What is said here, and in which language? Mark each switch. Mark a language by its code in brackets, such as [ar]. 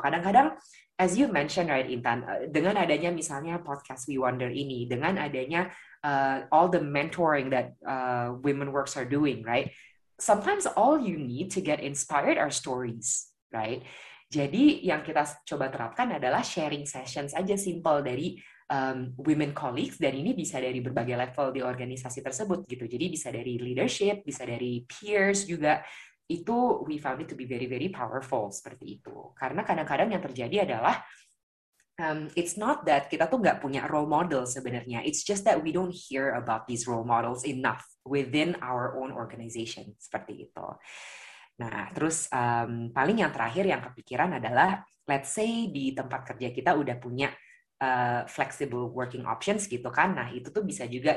[en] Kadang-kadang, as you mentioned, right, Intan, [id] dengan adanya misalnya podcast We Wonder ini, [en] dengan adanya all the mentoring that Women Works are doing, right, sometimes all you need to get inspired are stories, right? [id] Jadi yang kita coba terapkan adalah sharing sessions aja, simple, dari women colleagues, dan ini bisa dari berbagai level di organisasi tersebut gitu. Jadi bisa dari leadership, bisa dari peers juga. [en] Itu we found it to be very very powerful seperti itu. [id] Karena kadang-kadang yang terjadi adalah [en] it's not that [id] kita tuh nggak punya role model sebenarnya. [en] It's just that we don't hear about these role models enough within our own organization [id] seperti itu. Nah, terus paling yang terakhir yang kepikiran adalah, [en] let's say [id] di tempat kerja kita udah punya flexible working options gitu kan. Nah, itu tuh bisa juga.